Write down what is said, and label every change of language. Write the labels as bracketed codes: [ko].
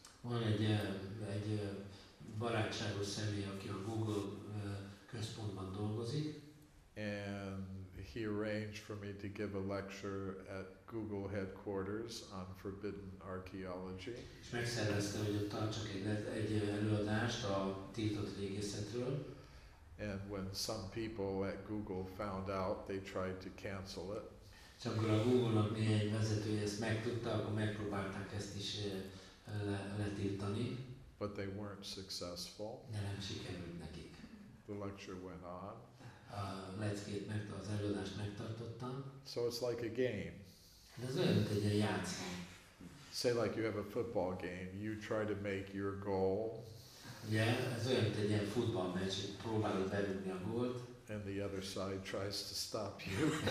[hu] Van egy barátságos személy, aki a Google központban dolgozik. [en] And he he arranged for me to give a lecture at Google headquarters on forbidden archaeology. [hu] És megszervezte, hogy ott tartsak egy előadást a tiltott régészetről. [en] And when some people at Google found out, they tried to cancel it. [hu] És amikor a Google-nak néhány vezetője ezt megtudta, akkor megpróbálták ezt is letiltani. [en] But they weren't successful. [hu] De nem sikerült nekik. [en] The lecture went on. [hu] A leckét az előadást megtartottam. [en] So it's like a game. [hu] De ez olyan, mint egy játszmány. [en] Say like you have a football game, you try to make your goal. [hu] Yeah, ez olyan, mint egy ilyen futballmeccs, próbálod belőni a gólt. [en] And the other side tries to stop you.